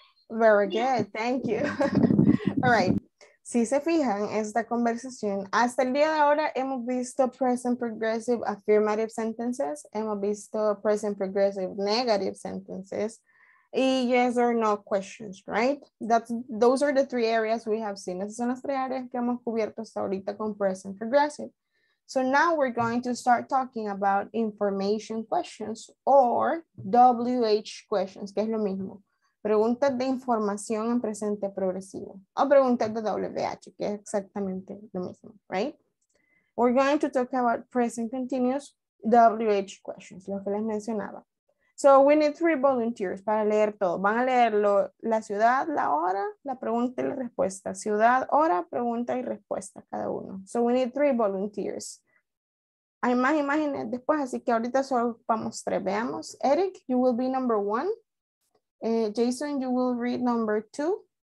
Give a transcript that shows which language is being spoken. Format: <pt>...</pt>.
<en>Very good. Thank you. All right.</en> <es>Si se fijan, esta conversación, hasta el día de ahora hemos visto present progressive affirmative sentences, hemos visto present progressive negative sentences, y yes or no questions, right?</es> <en>Those are the three areas we have seen.</en> <es>Esas son las tres áreas que hemos cubierto hasta ahorita con present progressive.</es> <en>So now we're going to start talking about information questions or WH questions,</en> <es>que es lo mismo. Preguntas de información en presente progresivo. O preguntas de WH, que es exactamente lo mismo, right?</es> <en>We're going to talk about present continuous WH questions,</en> <es>lo que les mencionaba.</es> <en>So we need three volunteers</en> <es>para leer todo. Van a leerlo la ciudad, la hora, la pregunta y la respuesta. Ciudad, hora, pregunta y respuesta cada uno.</es> <en>So we need three volunteers.</en> <es>Hay más imágenes después, así que ahorita solo vamos tres. Veamos.</es> <en>Eric, you will be number one. Jason, you will read number two.</en>